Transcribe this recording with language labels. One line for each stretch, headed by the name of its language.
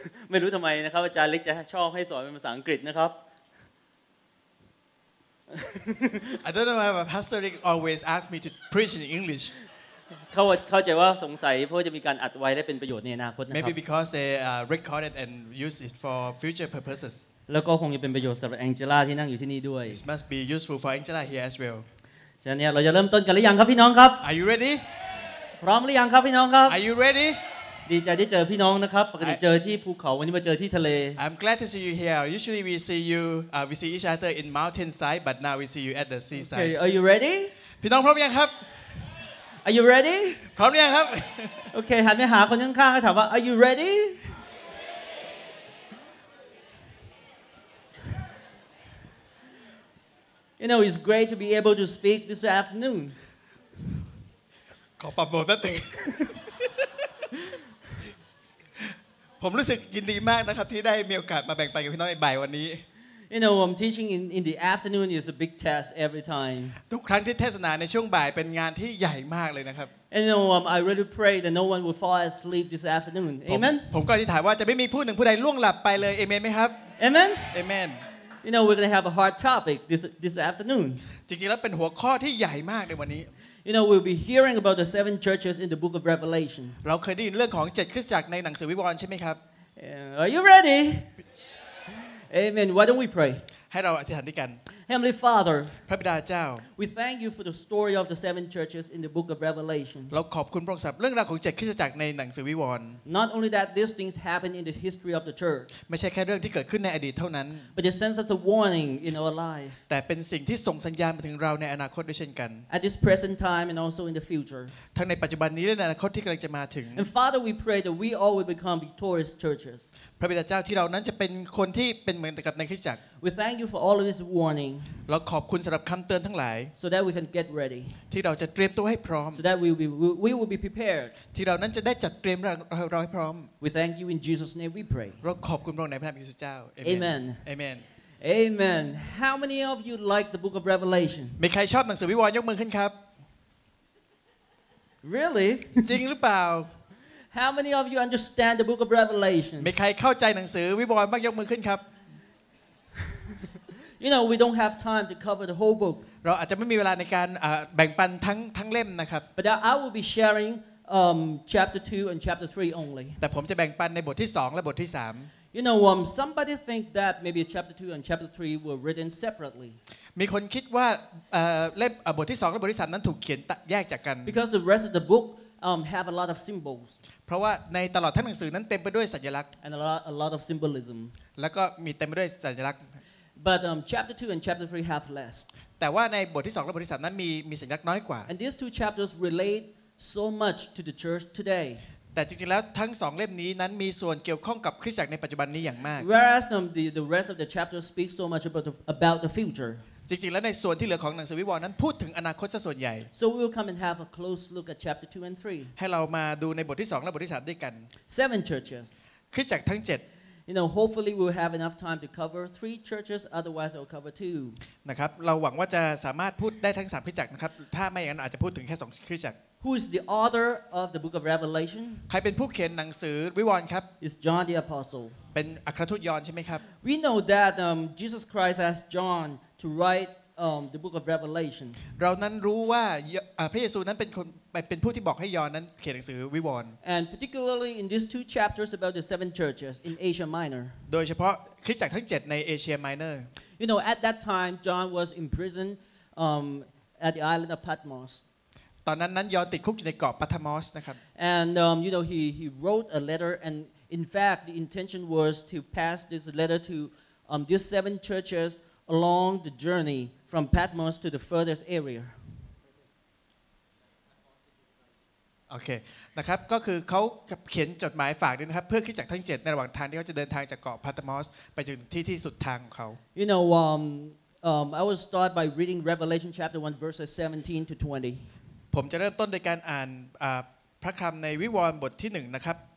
Thai: ไม่รู้ทำไมนะครับอาจารย์เล็กจะชอบให้สอนเป็นภาษาอังกฤษนะครับ
English: I don't know why but Pastor Rick always asks me to preach in English
Thai: เข้าใจว่าสงสัยเพราะจะมีการอัดไว้ได้เป็นประโยชน์ในอนาคตนะครับ
English: Maybe because they record it and use it for future purposes
Thai: แล้วก็คงจะเป็นประโยชน์สำหรับแองเจล่าที่นั่งอยู่ที่นี่ด้วย
English: It must be useful for Angela here as well
Thai: ฉะนั้นเราจะเริ่มต้นกันหรือยังครับพี่น้องครับ
English: Are you ready
Thai: พร้อมหรือยังครับพี่น้องครับ
English: Are you ready
Thai: ดีใจที่เจอพี่น้องนะครับปกติเจอที่ภูเขาวันนี้มาเจอที่ทะเล
English: I'm glad to see you here usually we see you we see each other in mountain side but now we see you at the sea side Okay are you ready
Thai: พี่น้องพร้อมยังครับ
English: Are you ready
Thai: พร้อมยังครับ โอเคหันไปหาคนข้างๆก็ถามว่า
English: Are you readyYou know, it's great to be able to speak this afternoon.
Thai: ขอปรับตัวนิดนึงผมรู้สึกยินดีมากนะครับที่ได้มีโอกาสมาแบ่งปันกับพี่น้องในบ่ายวันนี้
English: You know, I'm teaching in the afternoon is a big test every time.
Thai: ทุกครั้งที่เทศนาในช่วงบ่ายเป็นงานที่ใหญ่มากเลยนะครับ
English: You know, I really pray that no one will fall asleep this afternoon. Amen.
Thai: ผมก็อธิษฐานว่าจะไม่มีผู้ใดล่วงหลับไปเลย Amen ไหมครับ
English: Amen. Amen. You know we're going to have a hard topic this afternoon.
Thai: จริงๆแล้วเป็นหัวข้อที่ใหญ่มากในวันนี้
English: You know we'll be hearing about the seven churches in the book of Revelation.
Thai: เราเคยได้ยินเรื่องของ7คริสตจักรในหนังสือวิวรณ์ใช่มั้ยครับ
English: Are you ready? Amen. Why don't we pray?
Thai: ให้เราอธิษฐานด้วยกัน
English: Heavenly Father.
Thai: พระบิดาเจ้า
English: We thank you for the story of the seven churches in the book of Revelation.
Thai: เราขอบคุณพระองค์สำหรับเรื่องราวของ7คริสตจักรในหนังสือวิวรณ์
English: Not only that these things happened in the history of the church.
Thai: ไม่ใช่แค่เรื่องที่เกิดขึ้นในอดีตเท่านั้น
English: But it sends us a warning in our life.
Thai: แต่เป็นสิ่งที่ส่งสัญญาณมาถึงเราในอนาคตด้วยเช่นกัน
English: At this present time and also in the future.
Thai: ทั้งในปัจจุบันนี้และในอนาคตที่กำลังจะมาถึง
English: And Father we pray that we all will become victorious churches.
Thai: พระบิดาเจ้าที่เรานั้นจะเป็นคนที่เป็นเหมือนกับในคริสตจักร
English: We thank you for all of this warning.
Thai: เราขอบคุณสำหรับคำเตือนทั้งหลาย
English: So that we can get ready.
Thai: ที่เราจะเตรียมตัวให้พร้อม
English: So that we will be prepared.
Thai: ที่เรานั้นจะได้จัดเตรียมเราให้พร้อม
English: We thank you in Jesus name we pray.
Thai: เราขอบคุณพระองค์ในพระนามพระเยซูเจ้า
English: Amen. Amen. Amen. How many of you like the book of Revelation?
Thai: มีใครชอบหนังสือวิวรณ์ยกมือขึ้นครับ
English: Really?
Thai: จริงหรือเปล่า
English: How many of you understand the book of Revelation?
Thai: มีใครเข้าใจหนังสือวิวรณ์บ้างยกมือขึ้นครับ
English: You know we don't have time to cover the whole book.
Thai: เราอาจจะไม่มีเวลาในการแบ่งปันทั้งเล่มนะครับ
English: But I will be sharing chapter 2 and chapter 3 only.
Thai: แต่ผมจะแบ่งปันในบทที่2และบทที่3
English: You know somebody think that maybe chapter 2 and chapter 3 were written separately.
Thai: มีคนคิดว่าเล่มบทที่2และบทที่3นั้นถูกเขียนแยกจากกัน
English: Because the rest of the bookhave a lot of symbols
Thai: เพราะว่าในตลอดทั้งหนังสือนั้นเต็มไปด้วยสัญลักษณ์
English: and a lot of symbolism
Thai: แล้วก็มีเต็มไปด้วยสัญลักษณ์
English: but chapter 2 and chapter 3 have less
Thai: แต่ว่าในบทที่2และบทที่3นั้นมีสัญลักษณ์น้อยกว่า
English: and these two chapters relate so much to the church today
Thai: แต่จริงๆแล้วทั้ง2เล่มนี้นั้นมีส่วนเกี่ยวข้องกับคริสตจักรในปัจจุบันนี้อย่างมาก
English: whereas the rest of the chapters speak so much about the future
Thai: จริงๆแล้วในส่วนที่เหลือของหนังสือวิวรณ์นั้นพูดถึงอนาคตซะส่วนใหญ่
English: So we will come and have a close look at chapter 2 and 3
Thai: ให้เรามาดูในบทที่2และบทที่3ด้วยกัน
English: 7 churches
Thai: คริสตจักรทั้ง7
English: You know hopefully we will have enough time to cover 3 churches otherwise we'll cover 2
Thai: นะครับเราหวังว่าจะสามารถพูดได้ทั้ง3คริสตจักรนะครับถ้าไม่อย่างนั้นอาจจะพูดถึงแค่2คริสตจักร
English: Who is the author of the book of Revelation
Thai: ใครเป็นผู้เขียนหนังสือวิวรณ์ครับ
English: It's John the apostle
Thai: เป็นอัครทูตยอห์นใช่มั้ยครับ
English: We know that Jesus Christ as JohnTo write the book of Revelation.
Thai: เรานั้นรู้ว่าพระเยซูนั้นเป็นคนเป็นผู้ที่บอกให้ยอห์นนั้นเขียนหนังสือวิวรณ์
English: And particularly in these two chapters about the seven churches in Asia Minor.
Thai: โดยเฉพาะคริสตจักรทั้ง7ในเอเชียไมเนอร์
English: You know, at that time, John was imprisoned at the island of Patmos.
Thai: ตอนนั้นยอห์นติดคุกอยู่ในเกาะปาฏมอสนะครับ
English: And you know, he wrote a letter, and in fact, the intention was to pass this letter to these seven churches. Along the journey from Patmos to the furthest area.
Thai: Okay, นะครับก็คือเขาเขียนจดหมายฝากด้วยนะครับเพื่อขึ้นจากทั้ง7ในระหว่างทางที่เขาจะเดินทางจากเกาะ Patmos ไปถึงที่สุดทางของเขา
English: You know, I will start by reading Revelation chapter 1 verses 17 to 20.
Thai: ผมจะเริ่มต้นโดยการอ่านพระคำในวิวรณ์บทที่1นะครับ